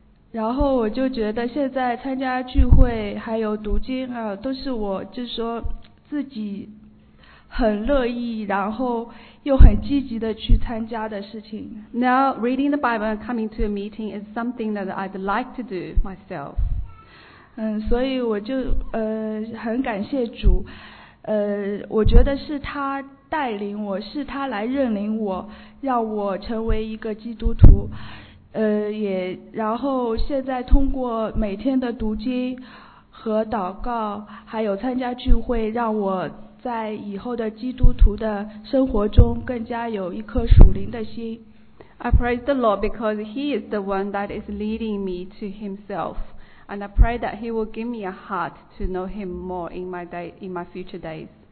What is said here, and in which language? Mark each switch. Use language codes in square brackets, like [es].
[zh] 然后我就觉得现在参加聚会还有读经啊，都是我就是说自己很乐意然后又很积极的去参加的事情。 [en] Now reading the Bible and coming to a meeting is something that I'd like to do myself. [zh] 所以我就很感谢主，我觉得是他带领我，是他来认领我，让我成为一个基督徒。也然后现在通过每天的读经和祷告还有参加聚会，让我在以后的基督徒的生活中更加有一颗属灵的心。 [en] I praise the Lord because he is the one that is leading me to himself and I pray that he will give me a heart to know him more in my day, in my future days.